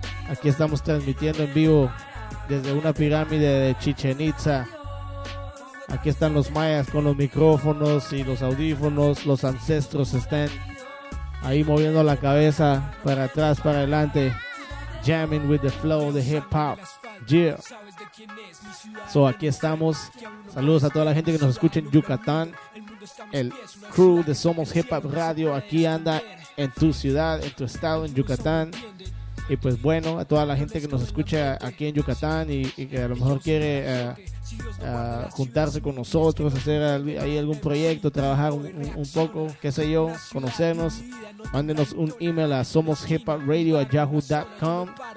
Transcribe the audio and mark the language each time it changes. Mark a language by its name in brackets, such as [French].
[Spanish] Aquí estamos transmitiendo en vivo desde una pirámide de Chichen Itza. Aquí están los mayas con los micrófonos y los audífonos. Los ancestros están ahí moviendo la cabeza para atrás, para adelante. [English] Jamming with the flow of the hip hop. [Spanish] Yeah. So aquí estamos. Saludos a toda la gente que nos escucha en Yucatán. El crew de Somos Hip Hop Radio aquí anda en tu ciudad, en tu estado, en Yucatán. Y pues bueno, a toda la gente que nos escucha aquí en Yucatán y que a lo mejor quiere juntarse con nosotros, hacer ahí algún proyecto, trabajar un poco, qué sé yo, conocernos, mándenos un email a somoshiphopradio@yahoo.com.